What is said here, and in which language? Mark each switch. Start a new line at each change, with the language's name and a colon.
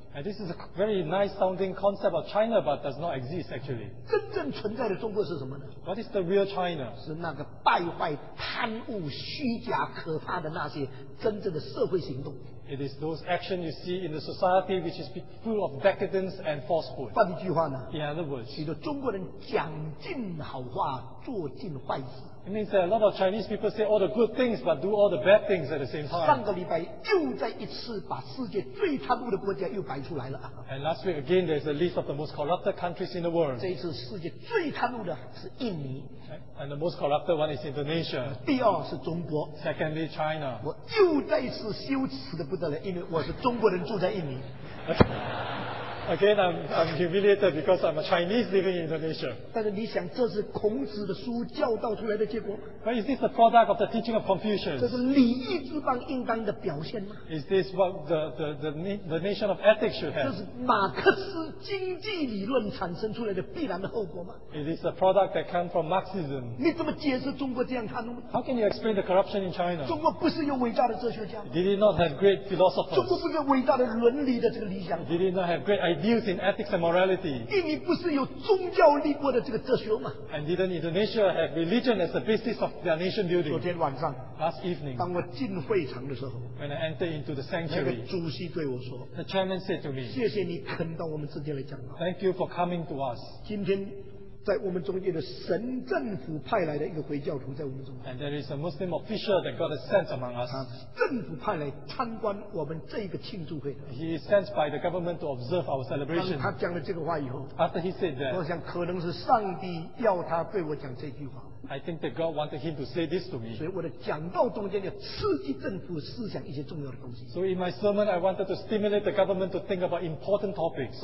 English: And this is a very nice sounding concept of China, but does not exist actually.
Chinese: 真正存在的中国是什么呢？
English: What is the real China?
Chinese: 是那个败坏、贪污、虚假、可怕的那些真正的社会行动。
English: It is those actions you see in the society which is full of decadence and falsehood.
Chinese: 换一句话呢,
English: in other words,
Chinese: 许多中国人讲尽好话，做尽坏事。
English: It means that a lot of Chinese people say all the good things but do all the bad things at the same time.
Chinese: 上个礼拜又再一次把世界最贪污的国家又摆出来了。
English: And last week again there's a list of the most corrupted countries in the world.
Chinese: 这一次世界最贪污的是印尼。
English: And the most corrupted one is Indonesia.
Chinese: 第二是中国。
English: Secondly, China.
Chinese: 我又再一次羞耻的不得了，因为我是中国人住在印尼。
English: Again, I'm humiliated because I'm a Chinese living in Indonesia.
Chinese: 但是你想，这是孔子的书教导出来的结果。
English: But is this the product of the teaching of Confucius?
Chinese: 这是礼义之邦应当的表现吗？
English: Is this what the nation of ethics should have?
Chinese: 这是马克思经济理论产生出来的必然的后果吗？
English: It is the product that comes from Marxism.
Chinese: 你怎么解释中国这样看呢？
English: How can you explain the corruption in China?
Chinese: 中国不是有伟大的哲学家？
English: Did it not have great philosophers?
Chinese: 中国不是有伟大的伦理的这个理想？
English: Did it not have great ideas in ethics and morality?
Chinese: 印尼不是有宗教立国的这个哲学吗？
English: And didn't Indonesia have religion as the basis of their nation building?
Chinese: 昨天晚上,
English: last evening,
Chinese: 当我进会场的时候,
English: when I entered into the sanctuary,
Chinese: 那个主席对我说,
English: the chairman said to me,
Chinese: 谢谢你肯到我们之间来讲话,
English: thank you for coming to us.
Chinese: 今天在我们中间的神政府派来的一个回教徒在我们中间,
English: and there is a Muslim official that God has sent among us.
Chinese: 政府派来参观我们这个庆祝会,
English: he is sent by the government to observe our celebration.
Chinese: 当他讲了这个话以后,
English: after he said that,
Chinese: 我想可能是上帝要他对我讲这句话。
English: I think that God wanted him to say this to me.
Chinese: 所以我的讲道中间要刺激政府思想一些重要的东西。
English: So in my sermon, I wanted to stimulate the government to think about important topics.